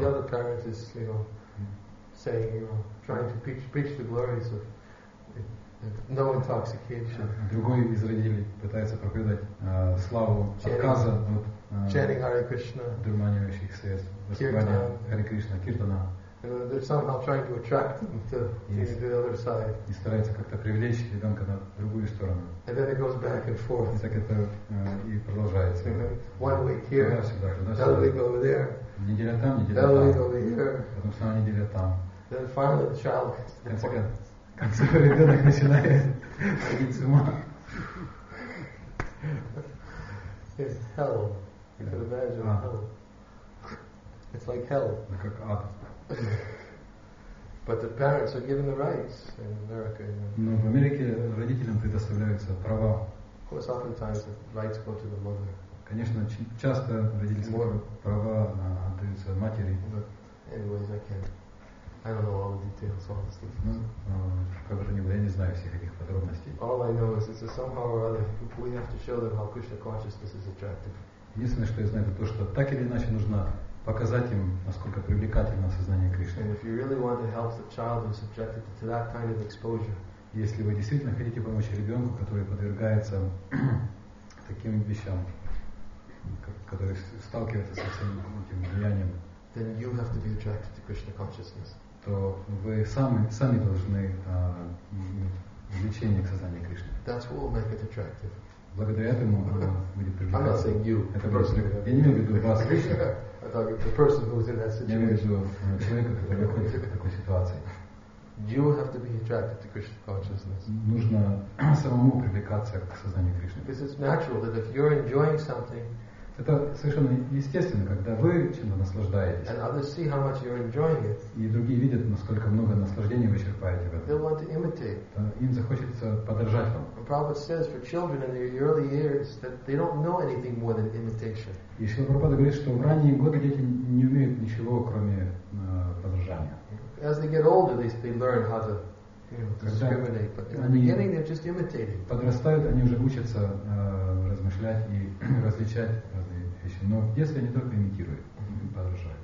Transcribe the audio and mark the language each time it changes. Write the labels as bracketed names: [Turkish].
[English] The other parent is, you know, saying, you know, trying to preach the glories of no intoxication. [Russian] Другой из родителей пытается проповедовать славу отказа от [English] chanting Hare Krishna, [Russian] дурманивающих средств, воспевания Hare Krishna, Kirtana. [English] They're somehow trying to attract them to the other side. [Russian] И старается как-то привлечь ребенка на другую сторону. [English] And then it goes back and forth. [Russian] И так это и продолжается. [English] One week here, another week over there. [Russian] Неделя там, неделя там. [English] Another week over here. [Russian] Потом снова неделя там. [English] Then finally the child. [Russian] Как-то ребенок начинает ходить с ума. [English] It's hell. You can imagine hell. It's like hell. [Russian] Как ад. [English] But the parents are given the rights in America. You know. [Russian] Но в Америке родителям предоставляются права. [English] Of course, oftentimes the rights go to the mother. [Russian] Конечно, часто родительские права отдаются матери. [English] But anyways, I don't know all the details, honestly. [Russian] Ну, как же не было, я не знаю всех этих подробностей. [English] All I know is it's somehow or other we have to show them how Krishna consciousness is attractive. [Russian] Единственное, что я знаю, это то, что так или иначе нужно показать им, насколько привлекательно сознание Кришны. [English] And if you really want to help the child who's subjected to that kind of exposure, [Russian] если вы действительно хотите помочь ребенку, который подвергается таким вещам, который сталкивается со всем этим влиянием, [English] then you have to be attracted to Krishna consciousness. [Russian] То вы сами должны иметь влечение к сознанию Кришны. [English] That's what will make it attractive. [Russian] Благодаря этому будет привлекательно. [English] I'm not saying you. [Russian] Это просто. Я не имею в виду вас лично. [English] I'm talking about the person who is in that situation. [Russian] Я имею в виду человека, который находится в такой ситуации. [English] You have to be attracted to Krishna consciousness. [Russian] Нужно самому привлекаться к сознанию Кришны. [English] Because it's natural that if you're enjoying something. [Russian] Это совершенно естественно, когда вы чем-то наслаждаетесь. [English] And others see how much you're enjoying it. [Russian] И другие видят, насколько много наслаждения вы черпаете в этом. [English] They'll want to imitate. [Russian] Да, им захочется подражать вам. [English] And Prabhupada says for children in their early years that they don't know anything more than imitation. [Russian] И Шрила Прабхупада говорит, что в ранние годы дети не умеют ничего, кроме подражания. [English] As they get older, they learn how to, you know, discriminate, but in the beginning they're just imitating. [Russian] Подрастают, они уже учатся размышлять и различать разные вещи. Но если они только имитируют, подражают.